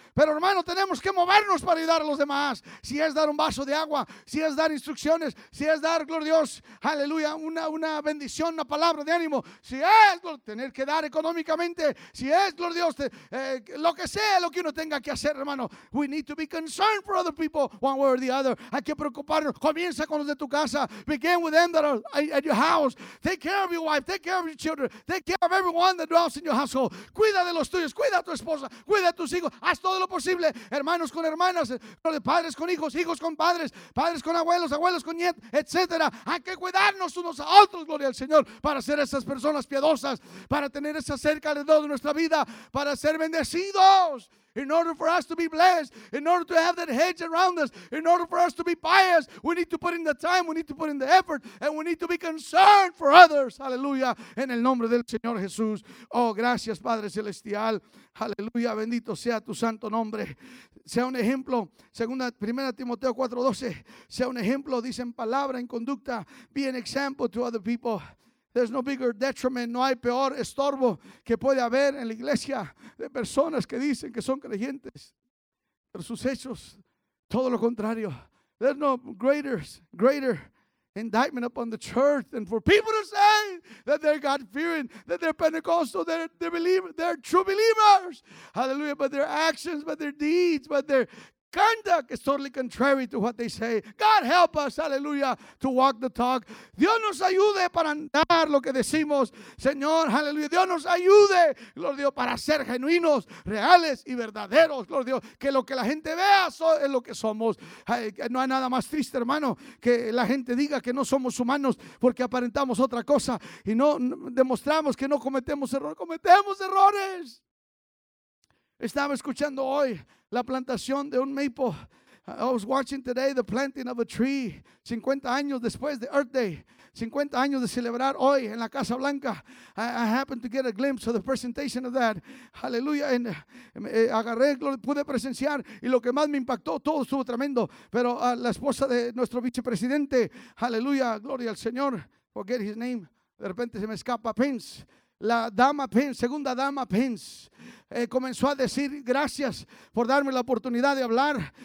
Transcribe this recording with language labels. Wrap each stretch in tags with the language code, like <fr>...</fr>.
<es>Pero hermano, tenemos que movernos para ayudar a los demás. Si es dar un vaso de agua, si es dar instrucciones, si es dar, gloria a Dios, aleluya, una bendición, una palabra de ánimo. Si es tener que dar económicamente, si es, gloria a Dios, lo que sea, lo que uno tenga que hacer, hermano.</es> <en>We need to be concerned for other people, one way or the other.</en> <es>Hay que preocuparnos. Comienza con los de tu casa.</es> <en>Begin with them that are at your house. Take care of your wife. Take care of your children. Take care of everyone that dwells those in your household.</en> <es>Cuida de los tuyos, cuida a tu esposa, cuida a tus hijos. Haz todo lo posible, hermanos con hermanas, padres con hijos, hijos con padres, padres con abuelos, abuelos con nietos, etc. Hay que cuidarnos unos a otros, gloria al Señor, para ser esas personas piadosas, para tener esa cerca alrededor de nuestra vida, para ser bendecidos.</es> <en>In order for us to be blessed, in order to have that hedge around us, in order for us to be pious, we need to put in the time, we need to put in the effort, and we need to be concerned for others. Hallelujah.</en> <es>En el nombre del Señor Jesús. Oh, gracias, Padre Celestial. Hallelujah. Bendito sea tu santo nombre. Sea un ejemplo. Segunda, primera Timoteo 4:12. Sea un ejemplo. Dice en palabra, en conducta.</es> <en>Be an example to other people. There's no bigger detriment,</en> <es>no hay peor estorbo que puede haber en la iglesia de personas que dicen que son creyentes, pero sus hechos, todo lo contrario.</es> <en>There's no greater indictment upon the church than for people to say that they're God-fearing, that they're Pentecostal, they're true believers. Hallelujah, but their actions, but their deeds, but their conduct is totally contrary to what they say. God help us, hallelujah, to walk the talk.</en> <es>Dios nos ayude para andar lo que decimos, Señor, hallelujah. Dios nos ayude, gloria a Dios, para ser genuinos, reales y verdaderos, gloria a Dios. Que lo que la gente vea es lo que somos. No hay nada más triste, hermano, que la gente diga que no somos humanos porque aparentamos otra cosa y no demostramos que no cometemos errores. Cometemos errores. Estaba escuchando hoy la plantación de un maple.</es> <en>I was watching today the planting of a tree.</en> <es>50 años después de Earth Day. 50 años de celebrar hoy en la Casa Blanca.</es> <en>I happened to get a glimpse of the presentation of that.</en> <es>Hallelujah. And, agarré, pude presenciar. Y lo que más me impactó, todo estuvo tremendo. Pero la esposa de nuestro vicepresidente. Hallelujah. Gloria al Señor.</es> <en>Forget his name.</en> <es>De repente se me escapa Pence. La dama Pence, segunda dama Pence, comenzó a decir gracias por darme la oportunidad de hablar.</es>